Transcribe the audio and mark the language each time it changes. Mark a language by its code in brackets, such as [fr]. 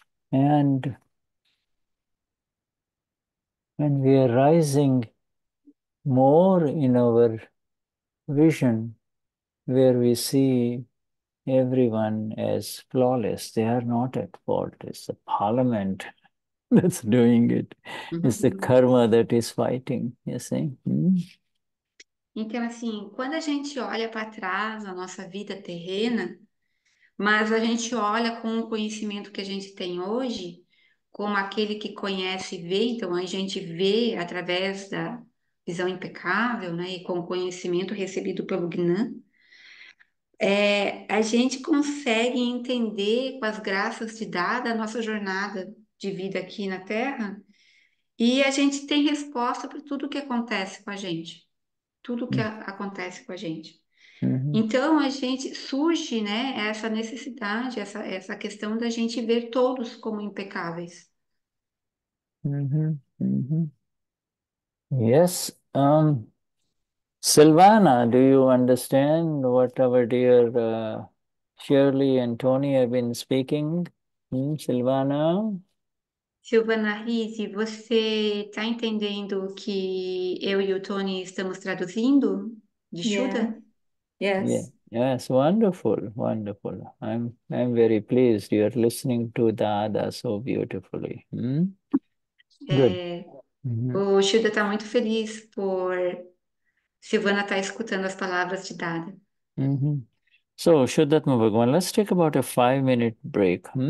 [en] And when we are rising more in our vision, where we see everyone is flawless. They are not at fault. It's the parliament that's doing it. It's the karma that is fighting, you see? [pt] Então, assim, quando a gente olha para trás a nossa vida terrena, mas a gente olha com o conhecimento que a gente tem hoje, como aquele que conhece e vê, então a gente vê através da visão impecável, né, e com o conhecimento recebido pelo Gnan, a gente consegue entender com as graças de Dada a nossa jornada de vida aqui na Terra, e a gente tem resposta para tudo o que acontece com a gente. Tudo o que acontece com a gente. Uhum. Então, a gente surge, né, essa necessidade, essa questão da gente ver todos como impecáveis. Uhum. Uhum. Yes. [en] Silvana, do you understand what our dear Shirley and Tony have been speaking? Silvana? [pt] Silvana Rizzi, você está entendendo o que eu e o Tony estamos traduzindo de Shuddha? [en] Yeah. Yes. Yeah. Yes, wonderful, wonderful. I'm very pleased you are listening to Dada so beautifully. Good. [pt] O Shuddha está muito feliz por Silvana estar escutando as palavras de Dada. [en] So, Shuddhatma Bhagavan, let's take about a 5-minute break.